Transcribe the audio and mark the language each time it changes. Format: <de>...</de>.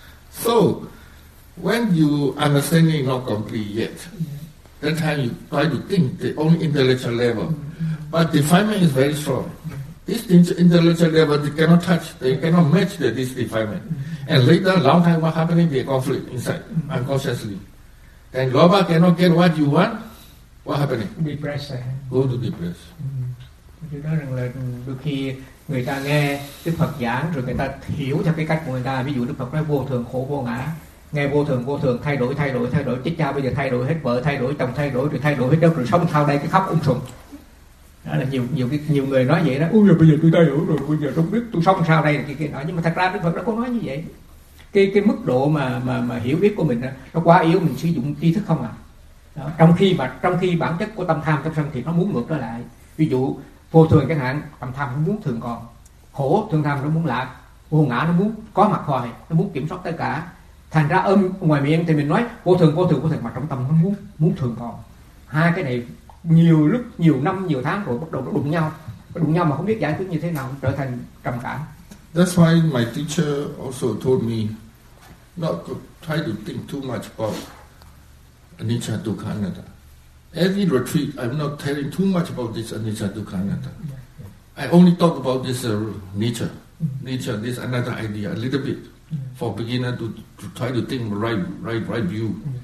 <en>So, when you understand it not complete yet, that time you try to think the only intellectual level. But defilement is very strong. This intellectual level, they cannot touch, they cannot match this defilement. And later, long time, what happening, there's conflict inside, unconsciously. And lover cannot get what you want, what happening? Depressed. Go to depressed.</en> <vi>Tôi nói rằng là đôi khi người ta nghe Đức Phật giảng rồi người ta hiểu theo cái cách của người ta. Ví dụ Đức Phật nói vô thường, khổ, vô ngã. Nghe vô thường, thay đổi. Chết cha bây giờ thay đổi hết, vợ thay đổi, chồng thay đổi, rồi thay đổi hết đâu, rồi sống sau đây cái khóc ung sùm. Đó là nhiều người nói vậy đó. Ôi giờ bây giờ tôi thay đổi rồi, bây giờ không biết tôi sống sau đây là kia nói. Nhưng mà thật ra Đức Phật đã có nói như vậy. Cái mức độ mà hiểu biết của mình đó, nó quá yếu, mình sử dụng tri thức không à. Đó. Trong khi bản chất của tâm tham, tâm sân thì nó muốn ngược trở lại. Ví dụ vô thường chẳng hạn, tâm tham không muốn thường còn, khổ thường tham nó muốn lạc, vô ngã nó muốn có mặt hoài, nó muốn kiểm soát tất cả. Thành ra ngoài miệng thì mình nói vô thường, mà trong tâm nó muốn thường còn. Hai cái này nhiều lúc, nhiều năm, nhiều tháng rồi bắt đầu nó đụng nhau mà không biết giải quyết như thế nào, trở thành trầm cảm.</vi> <en>That's why my teacher also told me not to try to think too much about anicca dukkha anatta. Every retreat, I'm not telling too much about this anicca dukkha anatta. I only talk about this nature, this another idea a little bit for beginner to try to think right view.</en>